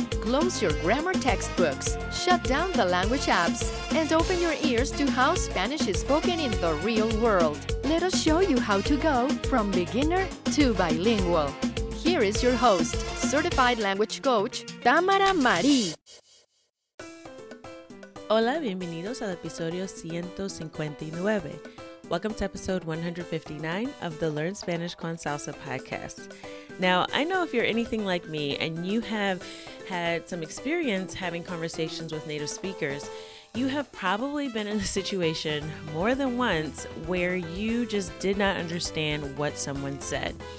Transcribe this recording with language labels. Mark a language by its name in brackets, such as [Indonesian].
[English] Close your grammar textbooks, shut down the language apps, and open your ears to how Spanish is spoken in the real world. Let us show you how to go from beginner to bilingual. Here is your host, certified language coach, Tamara Marí. [Spanish] Hola, bienvenidos al episodio 159. [English] Welcome to episode 159 of the Learn Spanish con Salsa podcast. Now, I know if you're anything like me and you have had some experience having conversations with native speakers, you have probably been in a situation more than once where you just did not understand what someone said.